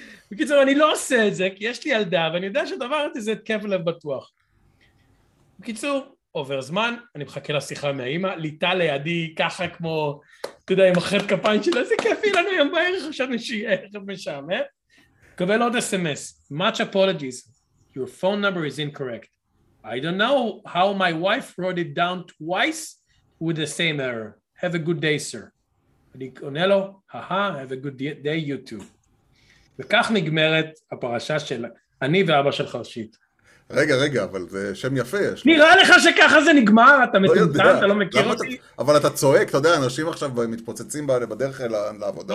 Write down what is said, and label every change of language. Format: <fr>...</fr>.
<he>בקיצור, אני לא עושה את זה, כי יש לי ילדה, ואני יודע שדבר הזה זה התקף לב בטוח. בקיצור, עובר זמן, אני מחכה לשיחה מהאימא, ליטה לידי ככה כמו... אתה יודע, עם אחרת כפיים שלה, זה כיפי לנו יום בערך, עכשיו נשיאה, עכשיו משם, אה? קבל עוד אס-אמס.</he> <en>Much apologies. Your phone number is incorrect. I don't know how my wife wrote it down twice with the same error. Have a good day, sir.</en> <he>אני עונה לו,</he> <en>haha, have a good day, you too.</en> <he>וכך נגמרת הפרשה של אני ואבא של חרשית. רגע, רגע, אבל זה שם יפה, יש לי. נראה לך שככה זה נגמר, אתה מטומטם, אתה לא מכיר אותי. אבל אתה צועק, אתה יודע, אנשים עכשיו מתפוצצים בדרך לעבודה.</he>